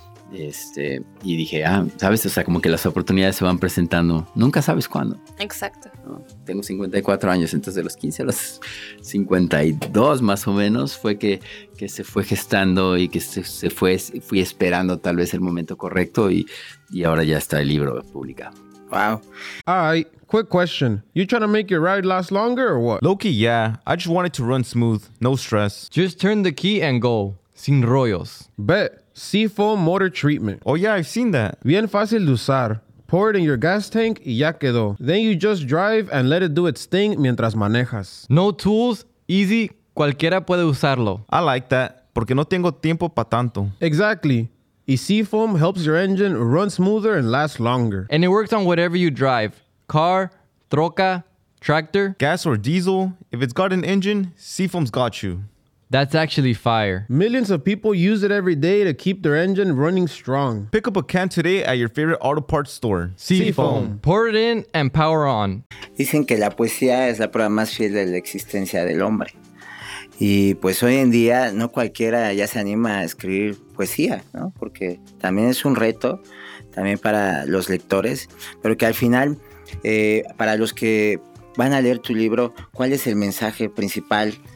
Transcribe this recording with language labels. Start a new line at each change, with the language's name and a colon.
Spanish: Y dije, ¿sabes? O sea, como que las oportunidades se van presentando, nunca sabes cuándo. Exacto. ¿No? Tengo 54 años, entonces de los 15 a los 52 más o menos fue que se fue gestando y que se fue, fui esperando tal vez el momento correcto, y ahora ya está el libro publicado.
English: Wow. Quick question. You trying to make your ride last longer or what? Low-key, yeah. I just wanted to run smooth, no stress. Just turn the key and go,
Spanish: sin rollos.
English: Bet. Seafoam motor treatment. Oh yeah, I've seen that.
Spanish: Bien fácil de usar.
English: Pour it in your gas tank
Spanish: y ya quedó.
English: Then you just drive and let it do its thing
Spanish: mientras manejas.
English: No tools, easy,
Spanish: cualquiera puede usarlo.
English: I like that,
Spanish: porque no tengo tiempo para tanto.
English: Exactly. Y Seafoam helps your engine run smoother and last longer. And it works on whatever you drive. Car, troca, tractor. Gas or diesel, if it's got an engine, Seafoam's got you. That's actually fire. Millions of people use it every day to keep their engine running strong. Pick up a can today at your favorite auto parts store. Seafoam. Pour it in and power on.
Spanish: Dicen que la poesía es la prueba más fiel de la existencia del hombre. Y pues hoy en día no cualquiera ya se anima a escribir poesía, ¿no? Porque también es un reto, también para los lectores. Pero que al final, para los que van a leer tu libro, ¿cuál es el mensaje principal?